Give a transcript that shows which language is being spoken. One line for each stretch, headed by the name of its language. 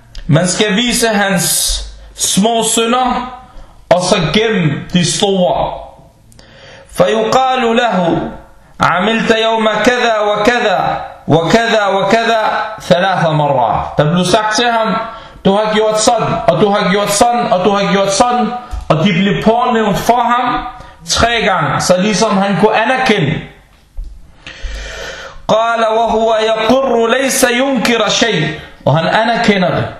Danish: Man skal vise hans små synder, og så gem de store.
Arabic: فيقال له عملت يوم كذا وكذا وكذا وكذا ثلاث مرات.
Danish: Der blev sagt til ham, du har gjort sådan, og du har gjort sådan, og du har gjort sådan, og de blev pånævnt for ham tre gange, så ligesom han kunne anerkende.
Arabic: قال وهو يقر ليس ينكر شيء.
Danish: Og han anerkender det.